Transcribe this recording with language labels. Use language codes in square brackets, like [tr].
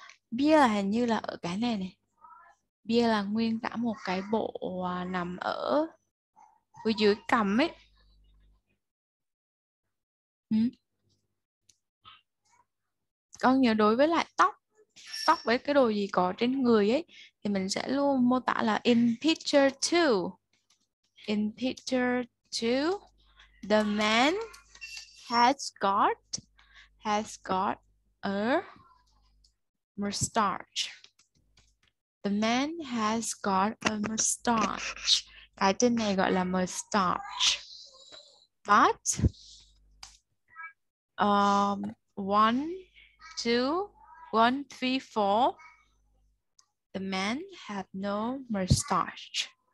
[vi] Beer là hình như là ở cái này này. Beer là nguyên cả một cái bộ nằm ở phía dưới cằm ấy. Con nhớ đối với lại tóc, tóc với cái đồ gì có trên người ấy thì mình sẽ luôn mô tả là [en] in picture 2. In picture 2, the man has got a mustache. The man has got a mustache. [vi] Cái tên này gọi là mustache. [en] But one, three, four. The man had no mustache.